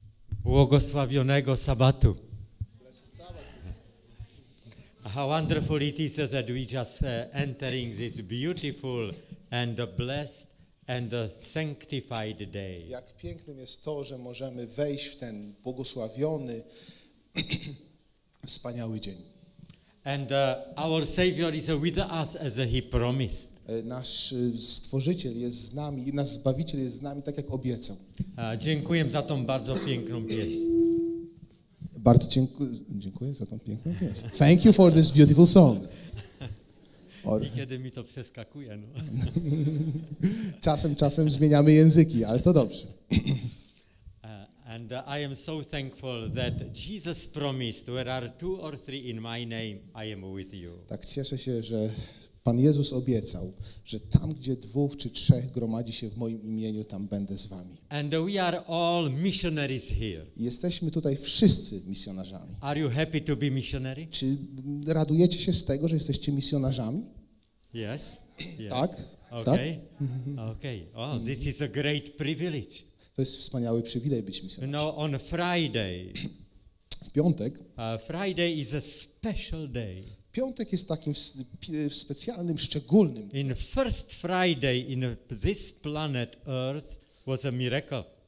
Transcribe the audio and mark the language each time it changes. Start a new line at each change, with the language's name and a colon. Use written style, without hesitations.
Polish: Błogosławionego sabatu.
English: how wonderful it is that we just entering this beautiful and blessed and sanctified day.
Polish: Jak pięknym jest to, że możemy wejść w ten błogosławiony wspaniały dzień.
English: And our Savior is with us as he promised.
Polish: Nasz Stworzyciel jest z nami i nasz Zbawiciel jest z nami, tak jak obiecał. Dziękuję za tą bardzo piękną pieśń. Bardzo dziękuję za tą piękną pieśń.
English: Thank you for this beautiful song.
Polish: I kiedy mi to przeskakuje, no. Czasem zmieniamy języki, ale to dobrze.
English: And I am so thankful that Jesus promised, where are two or three in my name, I am with you.
Polish: Tak cieszę się, że Pan Jezus obiecał, że tam, gdzie dwóch czy trzech gromadzi się w moim imieniu, tam będę z wami.
English: And we are all missionaries here.
Polish: Jesteśmy tutaj wszyscy misjonarzami.
English: Are you happy to be missionary?
Polish: Czy radujecie się z tego, że jesteście misjonarzami?
English: Yes.
Polish: Tak?
English: Okay. Okay. Oh, this is a great privilege.
Polish: To jest wspaniały przywilej być misjonarzem.
English: No, on Friday.
Polish: W piątek.
English: Friday is a special day.
Polish: Piątek jest takim specjalnym, szczególnym.
English: In first Friday in this planet Earth was a miracle.